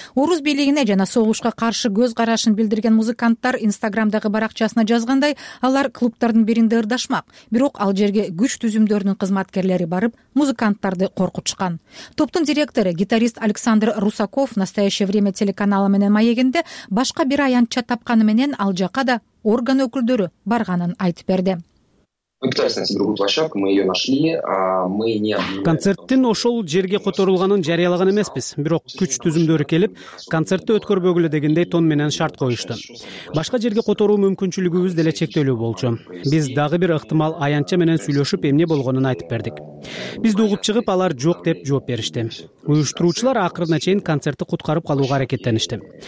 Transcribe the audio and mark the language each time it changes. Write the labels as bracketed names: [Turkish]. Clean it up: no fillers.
[Kyrgyz] Орус бийлигине жана согушка каршы көз карашын билдирген музыканттар Инстаграмдагы баракчасына жазгандай, алар клубтардын биринде ырдашмак, бирок ал жерге күч түзүмдөрүнүн кызматкерлери барып, музыканттарды коркутушкан. Топтун директору, гитарист Александр Русаков «Настоящее время» телеканалы менен маегинде башка бир аянтча тапканы менен ал жака да орган өкүлдөрү барганын айтып берди. [Russian] Мы пытались найти другую площадку, мы ее нашли, а мы не объявляли. [Kyrgyz] Концерттин ошол жерге которулганын жарыялаган эмеспиз, бирок күч түзүмдөрү келип, концертти өткөрбөгүлө дегендей тон менен шарт коюшту. Башка жерге которуу мүмкүнчүлүгүбүз деле чектелүү болчу. Биз дагы бир ыктымал аянтча менен сүйлөшүп, эмне болгонун айтып бердик. Бизди угуп чыгып, алар жок деп жооп беришти. Уюштуруучулар акырына чейин концертти куткарып калууга аракеттеништи.